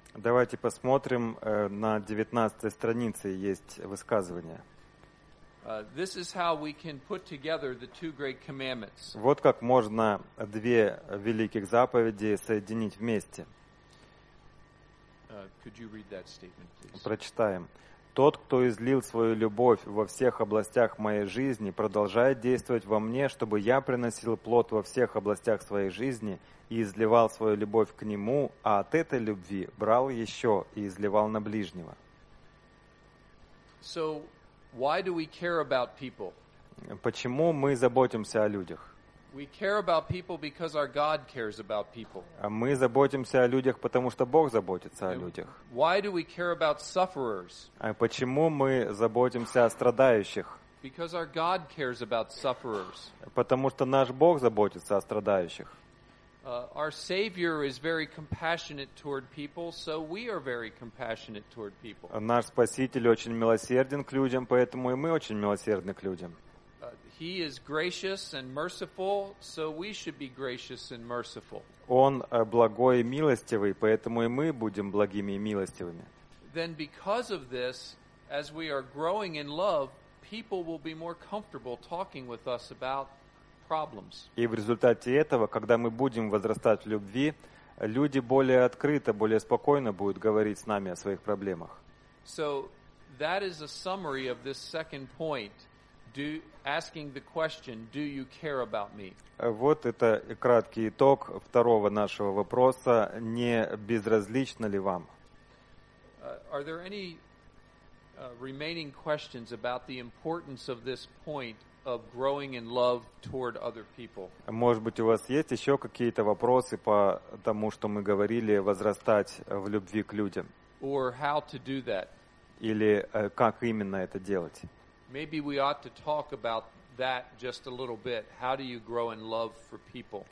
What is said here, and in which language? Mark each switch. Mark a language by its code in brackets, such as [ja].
[ru] Давайте посмотрим на 19-й странице есть высказывание. [en] This is how we can put together the two great commandments. [ru] Вот как можно две великих заповеди соединить вместе. [en] Could you read that statement, please? [ru] Прочитаем. Тот, кто излил свою любовь во всех областях моей жизни, продолжает действовать во мне, чтобы я приносил плод во всех областях своей жизни и изливал свою любовь к нему, а от этой любви брал еще и изливал на ближнего. [en] So, why do we care about people? [ru] Почему мы заботимся о людях? [en] We care about people because our God cares about people. [ru] Мы заботимся о людях, потому что Бог заботится о людях. [en] Why do we care about sufferers? [ru] Почему мы заботимся о страдающих? [en] Because our God cares about sufferers. [ru] Потому что наш Бог заботится о страдающих. [en] Our Savior is very compassionate toward people, so we are very compassionate toward people. [ru] Наш Спаситель очень милосерден к людям, поэтому и мы очень милосердны к людям. [en] He is gracious and merciful, so we should be gracious and merciful. [ru] Он благой и милостивый, поэтому и мы будем благими и милостивыми. [en] Then because of this, as we are growing in love, people will be more comfortable talking with us about problems. [ru] И в результате этого, когда мы будем возрастать в любви, люди более открыто, более спокойно будут говорить с нами о своих проблемах. [en] So that is a summary of this second point. Asking the question, do you care about me? [ru] Вот это краткий итог второго нашего вопроса. Не безразлично ли вам? [en] Are there any remaining questions about the importance of this point of growing in love toward other people? [ru] Может быть, у вас есть еще какие-то вопросы по тому, что мы говорили, возрастать в любви к людям? [en] Or how to do that? [ru] Или как именно это делать? [en] Maybe we ought to talk about that just a little bit. How do you grow in love for people?